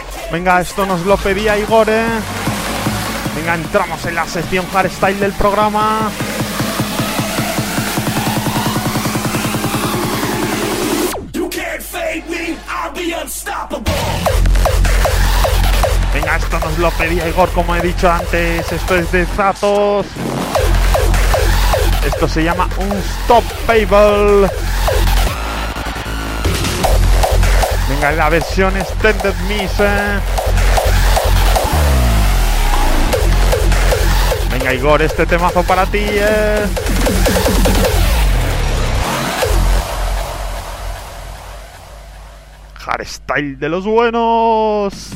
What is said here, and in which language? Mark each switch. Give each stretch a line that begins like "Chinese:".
Spanish: Venga, esto nos lo pedía Igor, Venga, entramos en la sección hardstyle del programa.
English: You can't fade me, I'll be unstoppable.
Spanish: Venga, esto nos lo pedía Igor, como he dicho antes. Esto es de Zatos. Esto se llama Unstoppable. Venga, la versión Extended Mix, Venga, Igor, este temazo para ti, Hardstyle de los buenos.